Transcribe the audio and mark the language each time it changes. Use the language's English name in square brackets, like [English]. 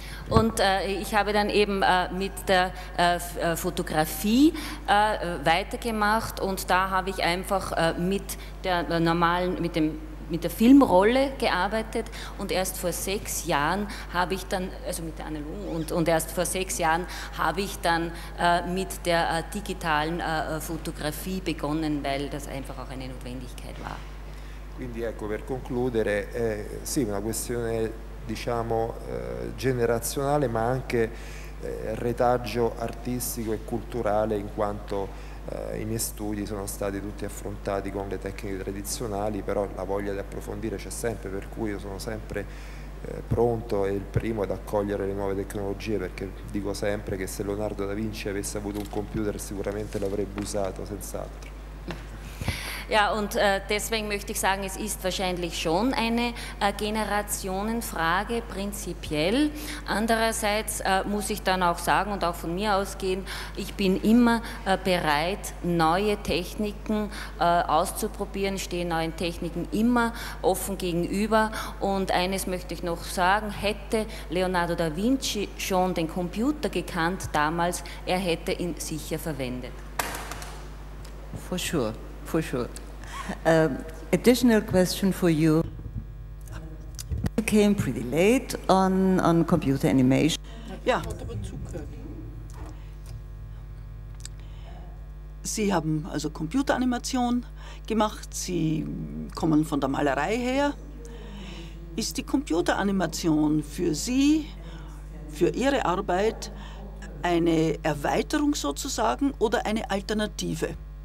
[German] Und ich habe dann eben mit der Fotografie weitergemacht und da habe ich einfach mit der Filmrolle gearbeitet und erst vor 6 Jahren habe ich dann, also mit der Analogen und erst vor 6 Jahren habe ich dann mit der digitalen Fotografie begonnen, weil das einfach auch eine Notwendigkeit war. [Italian] Quindi ecco, per concludere, sì, una questione diciamo generazionale ma anche retaggio artistico e culturale in quanto i miei studi sono stati tutti affrontati con le tecniche tradizionali, però la voglia di approfondire c'è sempre, per cui io sono sempre pronto e il primo ad accogliere le nuove tecnologie, perché dico sempre che se Leonardo da Vinci avesse avuto un computer sicuramente l'avrebbe usato senz'altro. [German] Ja, und deswegen möchte ich sagen, es ist wahrscheinlich schon eine Generationenfrage prinzipiell. Andererseits muss ich dann auch sagen und auch von mir ausgehen, ich bin immer bereit, neue Techniken auszuprobieren, stehe neuen Techniken immer offen gegenüber. Und eines möchte ich noch sagen, hätte Leonardo da Vinci schon den Computer gekannt damals, er hätte ihn sicher verwendet. [English] For sure. For sure. Additional question for you. You came pretty late on computer animation. [German] Ja. Sie haben also Computeranimation gemacht. Sie kommen von der Malerei her. Ist die Computeranimation für Sie, für Ihre Arbeit, eine Erweiterung sozusagen oder eine Alternative?